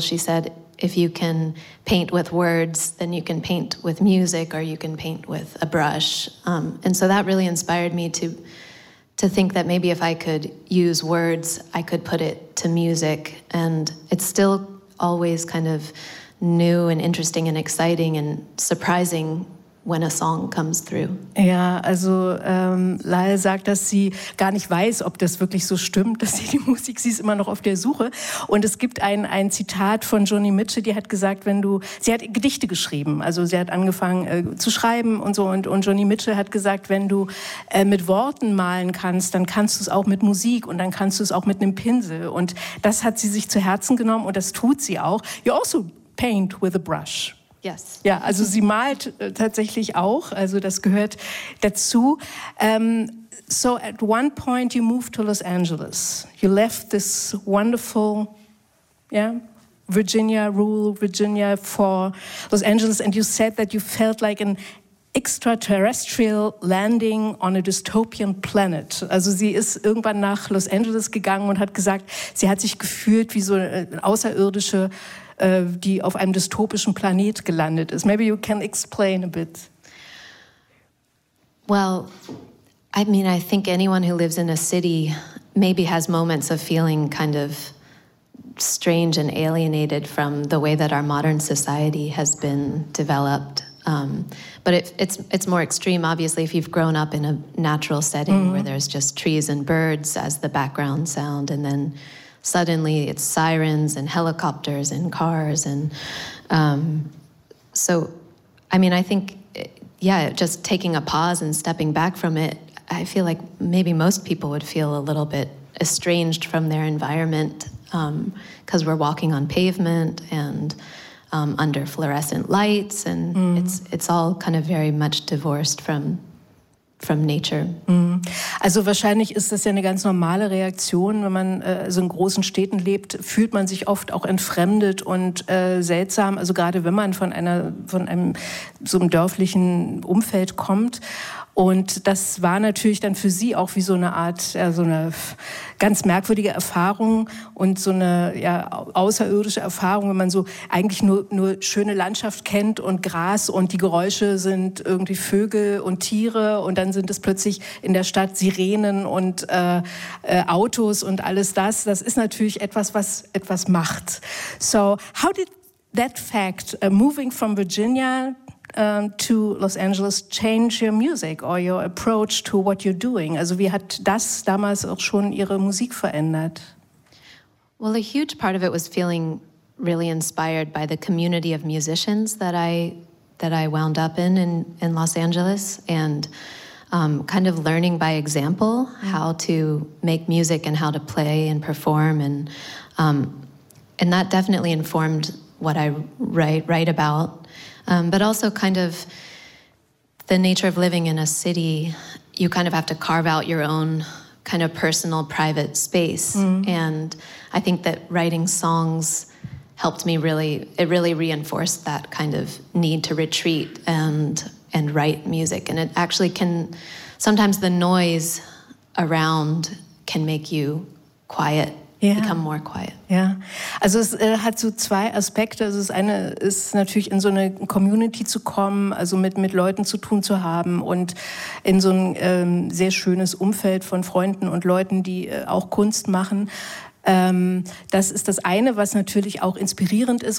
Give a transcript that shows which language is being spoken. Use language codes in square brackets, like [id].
[en] She said, if you can paint with words, then you can paint with music, or you can paint with a brush. And so that really inspired me to think that maybe if I could use words, I could put it to music. And it's still always kind of new and interesting and exciting and surprising when a song comes through. [de] Ja, also Lyle sagt, dass sie gar nicht weiß, ob das wirklich so stimmt, dass sie die Musik, sie ist immer noch auf der Suche. Und es gibt ein Zitat von Joni Mitchell, die hat gesagt, sie hat Gedichte geschrieben, also sie hat angefangen zu schreiben und so. Und Joni Mitchell hat gesagt, wenn du mit Worten malen kannst, dann kannst du es auch mit Musik und dann kannst du es auch mit einem Pinsel. Und das hat sie sich zu Herzen genommen und das tut sie auch. [en] You also paint with a brush. Yes. [de] Ja, also sie malt tatsächlich auch, also das gehört dazu. [en] So at one point you moved to Los Angeles. You left this wonderful, Virginia, rural Virginia for Los Angeles and you said that you felt like an extraterrestrial landing on a dystopian planet. [de] Also sie ist irgendwann nach Los Angeles gegangen und hat gesagt, sie hat sich gefühlt wie so eine außerirdische, die auf einem dystopischen Planet gelandet ist. [en] Maybe you can explain a bit. Well, I mean, I think anyone who lives in a city maybe has moments of feeling kind of strange and alienated from the way that our modern society has been developed. But it's more extreme, obviously, if you've grown up in a natural setting mm-hmm. where there's just trees and birds as the background sound, and then suddenly it's sirens and helicopters and cars. And so, I mean, I think, yeah, just taking a pause and stepping back from it, I feel like maybe most people would feel a little bit estranged from their environment because we're walking on pavement and under fluorescent lights, and it's all kind of very much divorced from nature. Mm. [de] Also wahrscheinlich ist das ja eine ganz normale Reaktion, wenn man so in großen Städten lebt, fühlt man sich oft auch entfremdet und seltsam, also gerade wenn man von einem dörflichen Umfeld kommt. Und das war natürlich dann für Sie auch wie so eine Art, so eine ganz merkwürdige Erfahrung und so eine außerirdische Erfahrung, wenn man so eigentlich nur schöne Landschaft kennt und Gras und die Geräusche sind irgendwie Vögel und Tiere und dann sind es plötzlich in der Stadt Sirenen und Autos und alles das. Das ist natürlich etwas, was etwas macht. [en] So, how did that fact, moving from Virginia to Los Angeles, change your music or your approach to what you're doing? [de] Also wie hat das damals auch schon Ihre Musik verändert? [en] Well, a huge part of it was feeling really inspired by the community of musicians that I wound up in Los Angeles, and kind of learning by example how to make music and how to play and perform, and that definitely informed what I write about. But also kind of the nature of living in a city, you kind of have to carve out your own kind of personal private space. Mm-hmm. And I think that writing songs helped me really reinforced that kind of need to retreat and write music. And it actually can, sometimes the noise around can make you quiet. Yeah. Become more quiet. [de] Ja, also es hat so zwei Aspekte. Also das eine ist natürlich, in so eine Community zu kommen, also mit Leuten zu tun zu haben und in so ein sehr schönes Umfeld von Freunden und Leuten, die auch Kunst machen. Das ist das eine, was natürlich auch inspirierend ist.